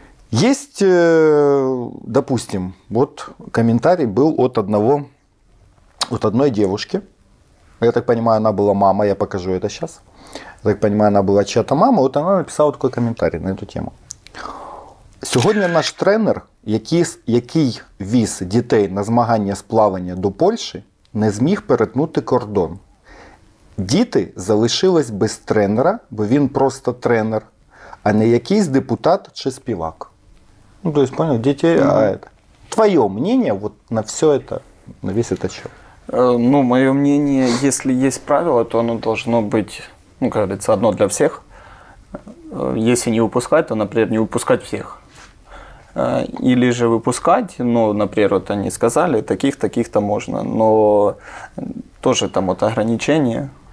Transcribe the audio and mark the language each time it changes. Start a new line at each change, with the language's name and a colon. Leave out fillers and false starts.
Russian: Есть, допустим, вот комментарий был от одного, от одной девушки. Я так понимаю, она была мама, я покажу это сейчас. Я так понимаю, она была чья-то мама. Вот она написала такой комментарий на эту тему.
Ukrainian: Сьогодні наш тренер, який віз дітей на змагання з плавання до Польщі, не зміг перетнути кордон. Діти залишились без тренера, бо він просто тренер, а не якийсь депутат чи співак.
Russian: Ну, то есть, понял, дітей, а это. Твоє мнение вот на все это, на весь этот счет? Ну, мое мнение, если есть правило, то оно должно быть, ну, как говорится, одно для всех. Если не выпускать, то, например, не выпускать всех. Или же выпускать, ну, например, вот они сказали, таких-таких-то можно, но тоже там вот ограничения.